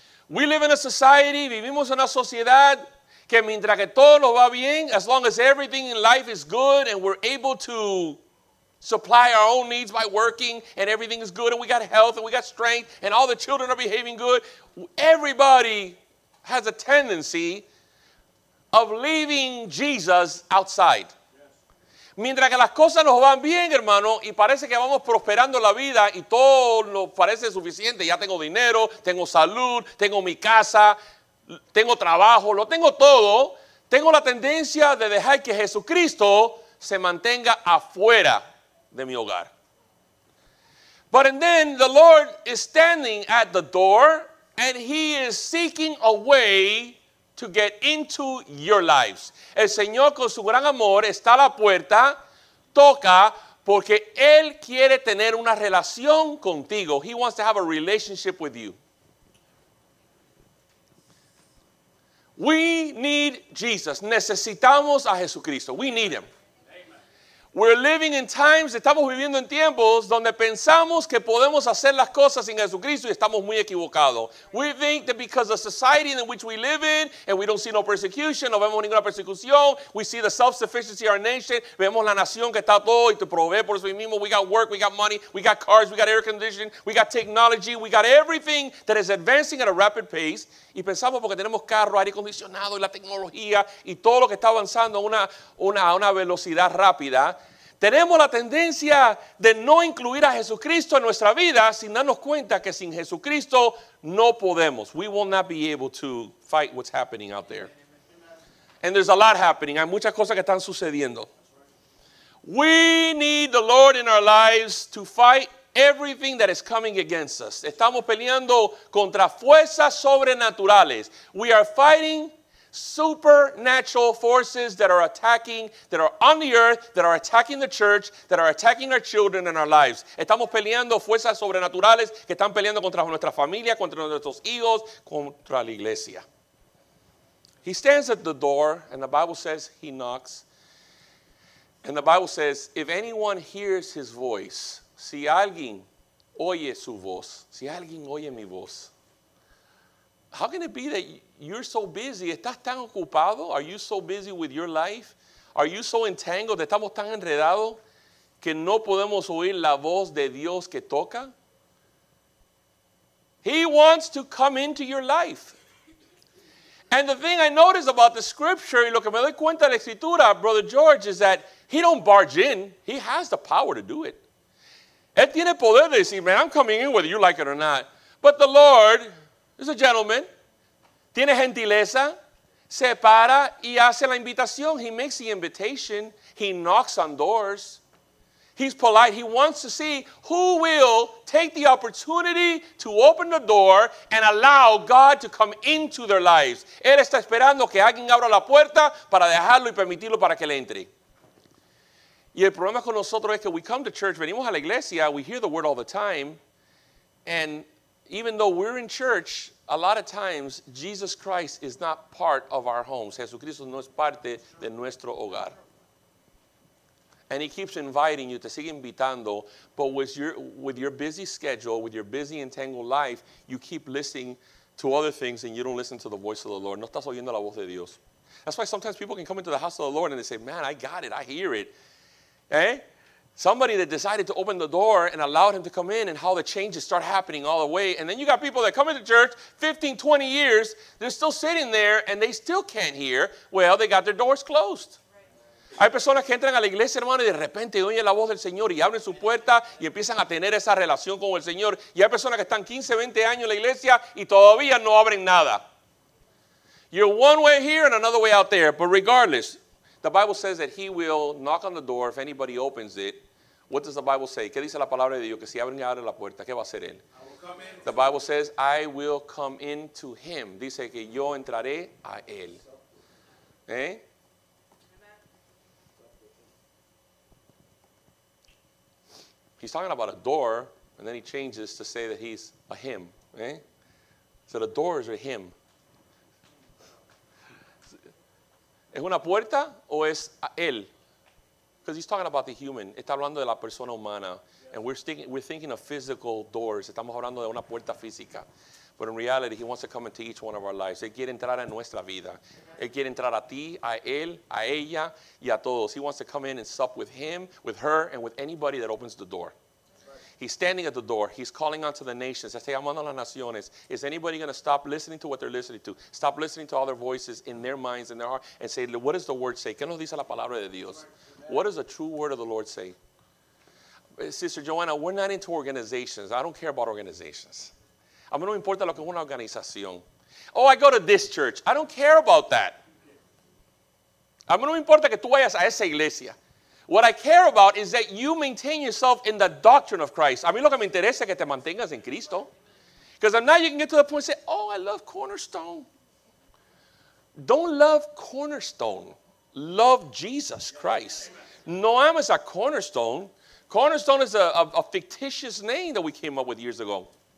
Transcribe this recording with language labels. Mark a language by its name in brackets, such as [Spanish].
[English] We live in a society, [Spanish] vivimos en una sociedad, que mientras que todo nos va bien, [English] as long as everything in life is good, and we're able to supply our own needs by working, and everything is good, and we got health, and we got strength, and all the children are behaving good, everybody has a tendency of leaving Jesus outside. [Spanish] Mientras que las cosas nos van bien, hermano, y parece que vamos prosperando la vida y todo nos parece suficiente. Ya tengo dinero, tengo salud, tengo mi casa, tengo trabajo, lo tengo todo. Tengo la tendencia de dejar que Jesucristo se mantenga afuera de mi hogar. [English] But and then the Lord is standing at the door and he is seeking a way to get into your lives. [Spanish] El Señor con su gran amor está a la puerta, toca, porque él quiere tener una relación contigo. [English] He wants to have a relationship with you. We need Jesus. [Spanish] Necesitamos a Jesucristo. [English] We need him. Amen. We're living in times, [Spanish] estamos viviendo en tiempos donde pensamos que podemos hacer las cosas sin Jesucristo y estamos muy equivocados. [English] We think that because of society in which we live in and we don't see no persecution, [Spanish] no vemos ninguna persecución, [English] we see the self-sufficiency of our nation, [Spanish] vemos la nación que está todo y te provee por sí mismo. [English] We got work, we got money, we got cars, we got air conditioning, we got technology, we got everything that is advancing at a rapid pace. [Spanish] Y pensamos porque tenemos carro, aire acondicionado y la tecnología y todo lo que está avanzando a una velocidad rápida. Tenemos la tendencia de no incluir a Jesucristo en nuestra vida sin darnos cuenta que sin Jesucristo no podemos. [English] We will not be able to fight what's happening out there. And there's a lot happening. [Spanish] Hay muchas cosas que están sucediendo. [English] We need the Lord in our lives to fight everything that is coming against us. [Spanish] Estamos peleando contra fuerzas sobrenaturales. [English] We are fighting supernatural forces that are attacking, that are on the earth, that are attacking the church, that are attacking our children and our lives. [Spanish] Estamos peleando fuerzas sobrenaturales que están peleando contra nuestra familia, contra nuestros hijos, contra la iglesia. [English] He stands at the door, and the Bible says he knocks. And the Bible says, if anyone hears his voice, [Spanish] si alguien oye su voz, si alguien oye mi voz, [English] how can it be that you're so busy? [Spanish] ¿Estás tan ocupado? [English] Are you so busy with your life? Are you so entangled? [Spanish] ¿Estamos tan enredados que no podemos oír la voz de Dios que toca? [English] He wants to come into your life. And the thing I notice about the scripture, [Spanish] y lo que me doy cuenta de la escritura, [English] Brother George, is that he don't barge in. He has the power to do it. [Spanish] Él tiene poder de decir, [English] man, I'm coming in whether you like it or not. But the Lord is a gentleman. [Spanish] Tiene gentileza. Se para y hace la invitación. [English] He makes the invitation. He knocks on doors. He's polite. He wants to see who will take the opportunity to open the door and allow God to come into their lives. [Spanish] Él está esperando que alguien abra la puerta para dejarlo y permitirlo para que le entre. Y el problema con nosotros es que [English] we come to church, [Spanish] venimos a la iglesia, [English] we hear the word all the time, and even though we're in church, a lot of times, Jesus Christ is not part of our homes. [Spanish] Jesucristo no es parte de nuestro hogar. [English] And he keeps inviting you, [Spanish] te sigue invitando, [English] but with your busy schedule, with your busy entangled life, you keep listening to other things and you don't listen to the voice of the Lord. [Spanish] No estás oyendo la voz de Dios. [English] That's why sometimes people can come into the house of the Lord and they say, man, I got it, I hear it. Eh? Somebody that decided to open the door and allowed him to come in, and how the changes start happening all the way. And then you got people that come into church 15, 20 years, they're still sitting there and they still can't hear. Well, they got their doors closed. [Spanish] Hay personas que entran a la iglesia, hermano, y de repente oyen la voz del Señor y abren su puerta y empiezan a tener esa relación con el Señor. Y hay personas que están 15, 20 años en la iglesia y todavía no abren nada. [English] You're one way here and another way out there, but regardless, the Bible says that he will knock on the door if anybody opens it. What does the Bible say? [Spanish] ¿Qué dice la palabra de Dios? Que si abren y abren la puerta, ¿qué va a hacer él? [English] The Bible says, I will come in to him. [Spanish] Dice que yo entraré a él. [English] ¿Eh? He's talking about a door, and then he changes to say that he's a him. [Spanish] ¿Eh? [English] So the door is a him. [Spanish] ¿Es una puerta o es a él? [English] Because he's talking about the human. [Spanish] Está hablando de la persona humana. [English] And we're thinking of physical doors. [Spanish] Estamos hablando de una puerta física. [English] But in reality, he wants to come into each one of our lives. [Spanish] Él quiere entrar en nuestra vida. Él quiere entrar a ti, a él, a ella y a todos. [English] He wants to come in and sup with him, with her, and with anybody that opens the door. He's standing at the door. He's calling out to the nations. [Spanish] Está llamando a las naciones. [English] Is anybody going to stop listening to what they're listening to? Stop listening to other voices in their minds, in their heart, and say, what does the word say? [Spanish] ¿Qué nos dice la palabra de Dios? [English] What does the true word of the Lord say? Sister Joanna, we're not into organizations. I don't care about organizations. [Spanish] A mí no me importa lo que es una organización. [English] Oh, I go to this church. I don't care about that. [Spanish] A mí no me importa que tú vayas a esa iglesia. [English] What I care about is that you maintain yourself in the doctrine of Christ. [Spanish] A mí lo que me interesa es que te mantengas en Cristo. [English] Because now you can get to the point and say, oh, I love Cornerstone. Don't love Cornerstone. Love Jesus Christ. [Spanish] No amas a Cornerstone. [English] Cornerstone is a fictitious name that we came up with years ago.